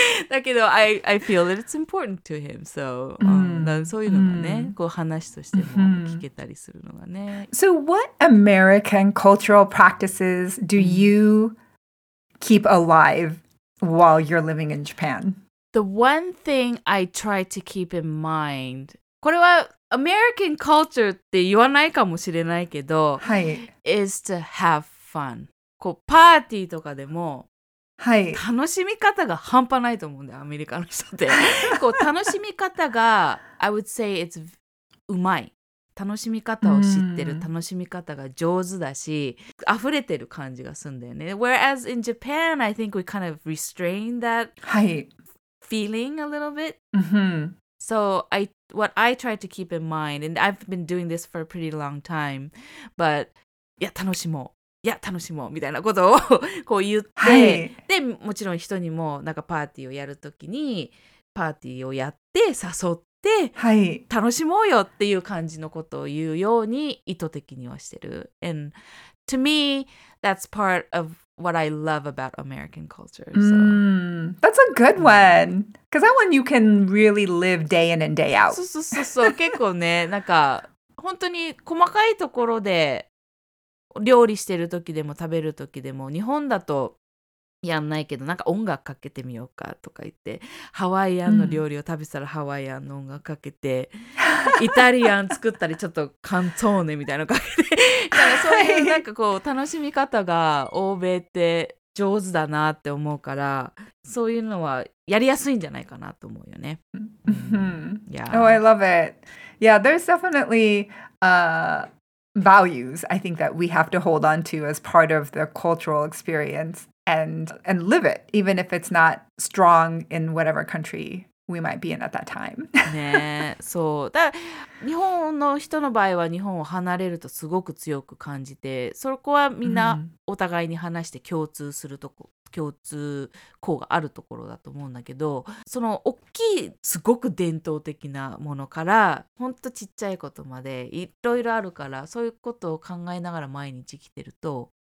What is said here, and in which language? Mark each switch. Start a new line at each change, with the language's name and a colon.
Japanese: だけど
English: I feel that it's important to him.
Japanese: So, そういうのがね、こう話としても聞けたりするのがね。
English: So what American cultural practices do you keep alive while you're living in Japan? The one thing I try to keep in mind...
Japanese: これは American culture って言わないかもしれないけど、はい、
English: is to have fun.
Japanese: こうパーティーとかでも、はい、楽しみ方が半端ないと思うんだよ、アメリカの人って。こう楽しみ方が、
English: I would say it's
Japanese: うまい。楽しみ方を知ってる、楽しみ方が上手だし、溢れてる感じがするんだよね。
English: Whereas in Japan, I think we kind of restrain that、
Japanese: はい、
English: feeling a little bit. So what I try to keep in mind, and I've been doing this for a pretty long time, but
Japanese: いや楽しもう、いや楽しもうみたいなことをこう言って、はい、でもちろん人にもなんかパーティーをやるときにパーティーをやって誘っって、はい、楽しもうよっていう感じのことを言うように意図的にはしてる。
English: And to me, that's part of what I love about American culture. So. Mm, that's a good one. Because that one you can really live day in and day out.
Japanese: そうそうそうそう、結構ね、なんか本当に細かいところで料理してる時でも食べる時でも、日本だとやんないけど、なんか音楽かけてみようかとか言って、ハワイアンの料理を食べたらハワイアンの音楽かけて、イタリアン作ったりちょっとカントーネみたいなのかけて、そういうなんかこう楽しみ方が欧米って上手だなって思うから、そういうのはやりやすいんじゃないかなと思うよね。
English: Yeah. Oh, I love it. Yeah, there's definitely values I think that we have to hold on to as part of the cultural experience. And live it, even if it's not strong in whatever country we might be in at that time.
Japanese: ね、そう。だ、日本の人の場合は日本を離れるとすごく強く感じて、そこはみんなお互いに話して共通するとこ、共通項があるところだと思うんだけど、その大きいすごく伝統的なものから、本当ちっちゃいことまでいろいろあるから、そういうことを考えながら毎日生きてると。